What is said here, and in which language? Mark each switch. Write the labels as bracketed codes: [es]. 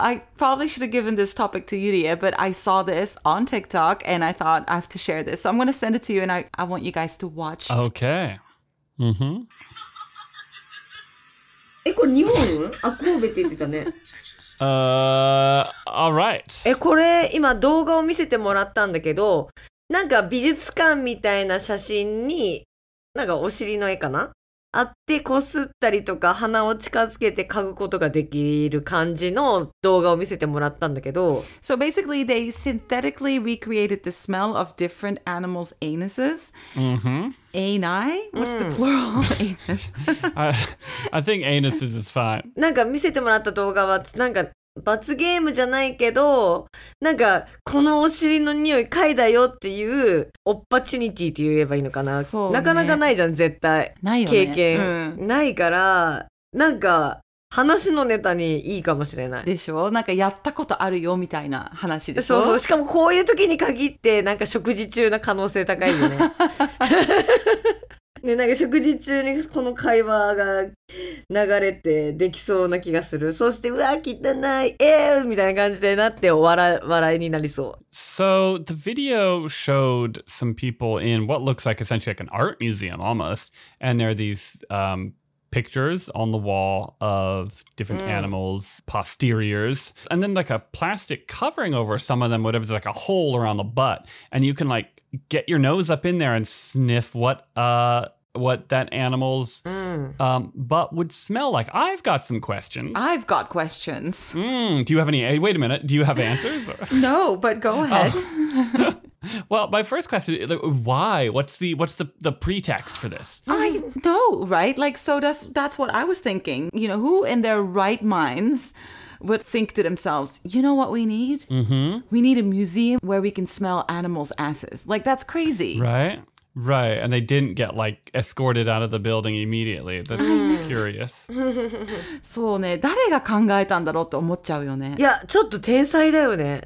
[en] I probably should have given this topic to UDS, but I saw this on TikTok and I thought I have to share this. So I'm going to send it to you and I want you guys to watch. Okay. Mm-hmm. [ja] え、これ日本？あ、神戸って言ってたね。 [en] All right. [ja] え、これ今動画を見せてもらったんだけど、なんか美術館みたいな写真に、なんかお尻の絵かな？あって、こすったりとか鼻を近づけて嗅ぐことができる感じの動画を見せてもらったんだけど。 [en] So basically, they synthetically recreated the smell of different animals' anuses. Ani? What's the plural of anus? I think anuses is fine. [ja] なんか見せてもらった動画は、なんか罰ゲームじゃないけど、なんかこのお尻の匂い嗅いだよっていうオッパチュニティって言えばいいのかな。そう、ね、なかなかないじゃん絶対。ないよね。経験、ないからなんか話のネタにいいかもしれない。でしょ。なんかやったことあるよみたいな話でしょ。そうそう。しかもこういう時に限ってなんか食事中な可能性高いよね。ね、なんか食事中にこの会話が流れてできそうな気がする。そして、うわ、汚い、みたいな感じでなって笑いになりそう。 [en] So, the video showed some people in what looks like essentially like an art museum almost, and there are these, pictures on the wall of different animals, posteriors, and then like a plastic covering over some of them, whatever, there's like a hole around the butt, and you can like,get your nose up in there and sniff what that animal's butt would smell like. I've got some questions. I've got questions. Do you have any? Wait a minute. Do you have answers? No, but go ahead. Well, my first question is, like, why? What's the pretext for this? I know, right? Like, so that's what I was thinking. You know, who in their right minds... would think to themselves, you know what we need? Mm-hmm. We need a museum where we can smell animals' asses. Like, that's crazy. Right, Right, and they didn't get, like, escorted out of the building immediately. That's curious. [ja] そうね、誰が考えたんだろうって思っちゃうよね。いや、ちょっと天才だよね。